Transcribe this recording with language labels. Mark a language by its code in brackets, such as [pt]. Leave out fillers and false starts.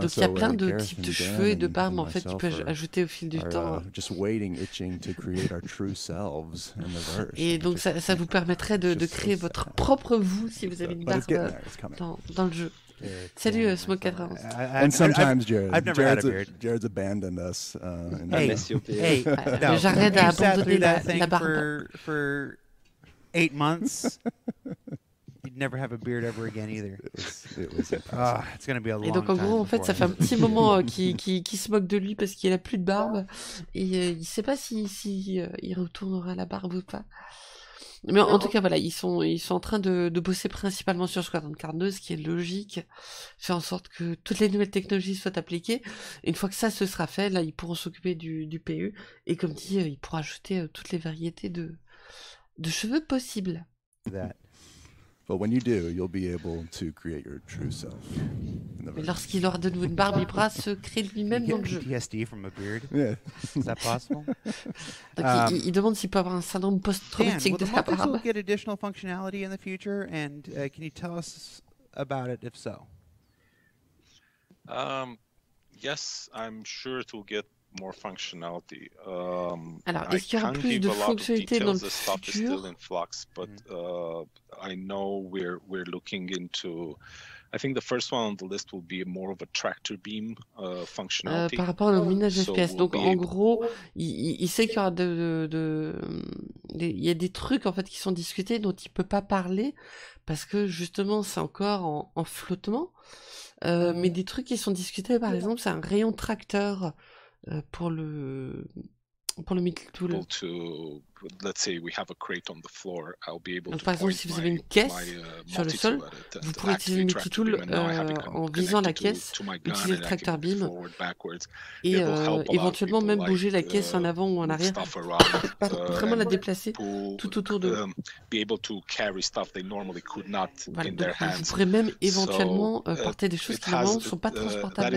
[fr] Donc il y a plein de types de cheveux et de barbes en fait qui peuvent ajouter au fil du temps. [en] Just waiting, itching to create our true selves in the verse. [fr] Et donc ça vous permettrait de créer votre propre vous si vous avez une barbe dans le jeu. Salut Smoke 91. [en] And sometimes Jared's abandoned us. [fr] Hey, j'arrête d'abandonner la barbe. [en] For 8 months. You'd never have a beard ever again either. It's gonna be a long time. [fr] Et donc en gros, en fait, ça fait un petit moment qu'il se moque de lui parce qu'il a plus de barbe et il sait pas si il retournera la barbe ou pas. Mais en tout cas, voilà, ils sont en train de bosser principalement sur Squadron 42, ce qui est logique. Faire en sorte que toutes les nouvelles technologies soient appliquées. Et une fois que ça se sera fait, là, ils pourront s'occuper du PU et comme dit, ils pourront ajouter toutes les variétés de cheveux possibles. [en] That. But when you do, you'll be able to create your true self. [fr] Mais lorsqu'il aura de nouveau une barbe, il pourra se créer lui-même dans le jeu. [en] PTSD from a beard. Yeah. Is that possible? [fr] Donc il demande s'il peut avoir un syndrome post-traumatique de sa barbe. [en] Dan, will the get additional functionality in the future? And can you tell us about it if so? Yes, I'm sure it will get more functionality. [fr] Alors, est-ce qu'il y aura plus de fonctionnalités dans le futur? [en] The stuff is still in flux, but I know we're looking into. I think the first one on the list will be more of a tractor beam functionality. [fr] Par rapport au minage FPS, so donc we'll en gros, il sait qu'il y aura il y a des trucs en fait qui sont discutés dont il peut pas parler parce que justement c'est encore en flottement. Mais des trucs qui sont discutés, par exemple, c'est un rayon tracteur pour le middle tool. [en] Let's say we have a crate on the floor, I'll be able [fr] donc, [en] to [fr] par exemple, si vous avez une caisse sur le sol, vous pourrez utiliser le multi tool en visant la caisse, utiliser le tracteur beam et éventuellement même bouger la caisse en avant ou en arrière, vraiment la déplacer tout autour de. Voilà, donc vous pourrez même éventuellement porter des choses qui normalement ne sont pas transportables